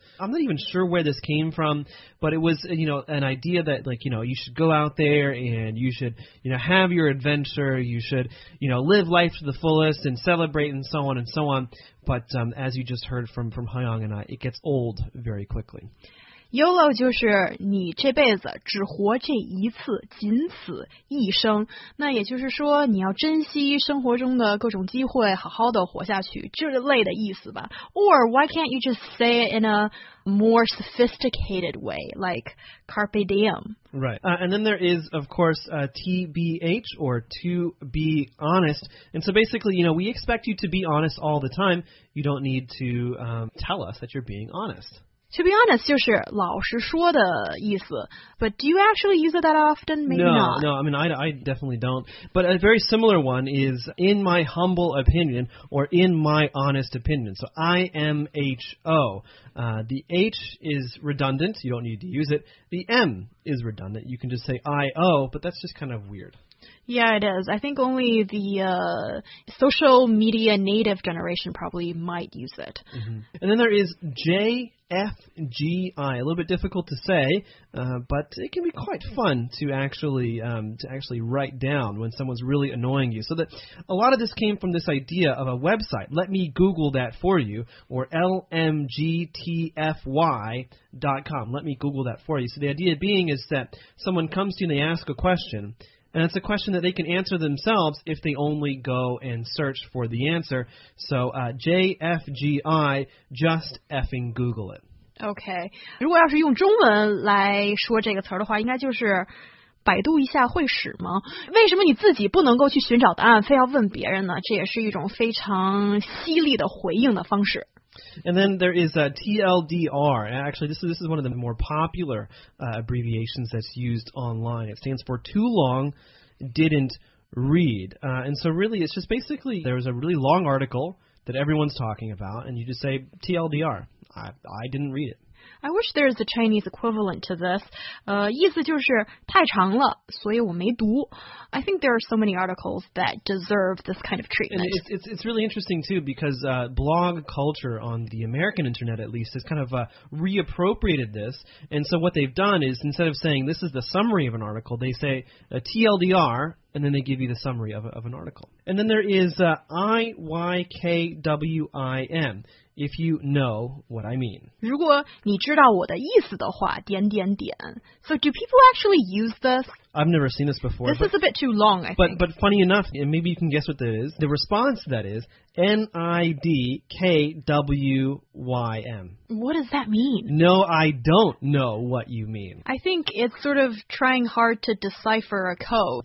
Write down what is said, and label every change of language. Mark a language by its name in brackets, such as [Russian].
[English] I'm not even sure where this came from, but it was, you know, an idea that, like, you know, you should go out there and you should, you know, have your adventure, you should, you know, live life to the fullest and celebrate and so on and so on. But as you just heard from Hyang and I, it gets old very quickly. [Chinese] YOLO 就是你这辈子只活这一次，仅此一生。那也就是说，你要珍惜生活中的各种机会，好好的活下去，这类的意思吧。 [English] Or why can't you just say it in a more sophisticated way, like carpe diem? Right. And then there is, of course, TBH, or to be honest. And so basically, you know, we expect you to be honest all the time. You don't need to tell us that you're being honest. To be honest, [Chinese] 就是老实说的意思. [English] But do you actually use it that often? Maybe no, not. No, I mean, I definitely don't. But a very similar one is in my humble opinion or in my honest opinion. So IMHO. The H is redundant. You don't need to use it. The M is redundant. You can just say IO, but that's just kind of weird. Yeah, it is. I think only the social media native generation probably might use it. Mm-hmm. And then there is JFGI, a little bit difficult to say, but it can be quite fun to actually write down when someone's really annoying you. So that a lot of this came from this idea of a website, let me Google that for you, or lmgtfy.com, let me Google that for you. So the idea being is that someone comes to you and they ask a question,And it's a question that they can answer themselves if they only go and search for the answer. So JFGI, just effing Google it. Okay. [Chinese] 如果要是用中文来说这个词的话，应该就是百度一下会使吗？为什么你自己不能够去寻找答案，非要问别人呢？这也是一种非常犀利的回应的方式。 [English] And then there is TLDR. Actually, this is one of the more popular abbreviations that's used online. It stands for too long, didn't read. And so really, it's just basically there was a really long article that everyone's talking about, and you just say TLDR. I didn't read it. I wish there is a Chinese equivalent to this. [Chinese] 意思就是太长了，所以我没读。 [English] I think there are so many articles that deserve this kind of treatment. And it's really interesting, too, because blog culture on the American internet, at least, has kind of reappropriated this. And so what they've done is instead of saying this is the summary of an article, they say TLDR, and then they give you the summary of an article. And then there is IYKWIM, if you know what I mean. [Chinese] 如果你知道我的意思的话，点点点。 [English] So do people actually use this? I've never seen this before. This is a bit too long, I think. But funny enough, and maybe you can guess what that is, the response to that is NIDKWYM. What does that mean? No, I don't know what you mean. I think it's sort of trying hard to decipher a code.